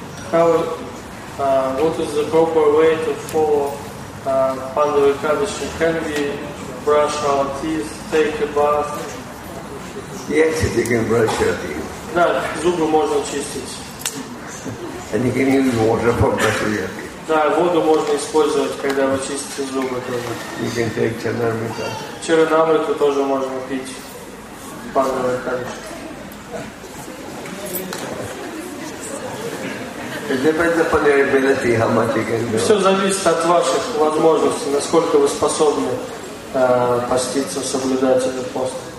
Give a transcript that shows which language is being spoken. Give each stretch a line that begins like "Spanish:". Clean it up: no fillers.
English: How what is the proper way to follow Pandava Kadashi? Can we brush our teeth, take a bath? Yes, you can brush your teeth. No,
Russian: зубы можно чистить.
English: And you can use water for brushing your teeth.
Russian: Да, воду можно использовать, когда вы чистите зубы тоже.
English: You can take Charanamrita.
Russian: Charanamrita тоже можно пить. Pandava Kadashi.
English: It depends upon your ability, how much you can do.
Russian: Все зависит от ваших возможностей, насколько вы способны поститься, соблюдать этот пост.